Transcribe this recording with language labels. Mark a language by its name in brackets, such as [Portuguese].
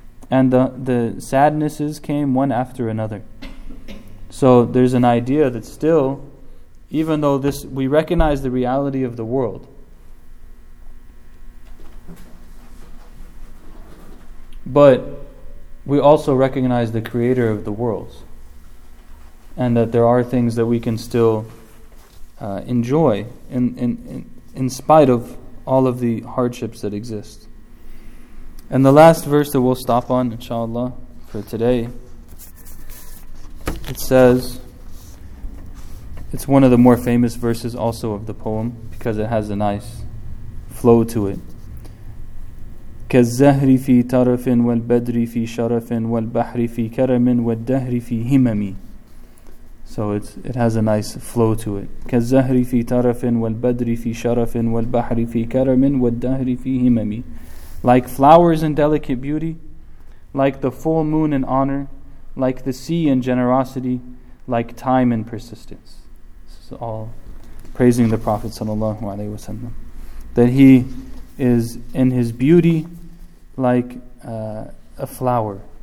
[English] And the sadnesses came one after another. So there's an idea that still, even though this, we recognize the reality of the world, but we also recognize the creator of the worlds, and that there are things that we can still enjoy in spite of all of the hardships that exist. And the last verse that we'll stop on, inshallah, for today, it says, it's one of the more famous verses also of the poem, because it has a nice flow to it. [Arabic] كالزهر في طرف والبدر في شرف والبحر في كرم والدهر في همم. [English] So it has a nice flow to it. [Arabic] كالزهر في طرف والبدر في شرف والبحر في كرم والدهر في همم. [English] Like flowers in delicate beauty, like the full moon in honor, like the sea in generosity, like time in persistence. This is all praising the Prophet sallallahu alaihi wasallam, that he is in his beauty like a flower.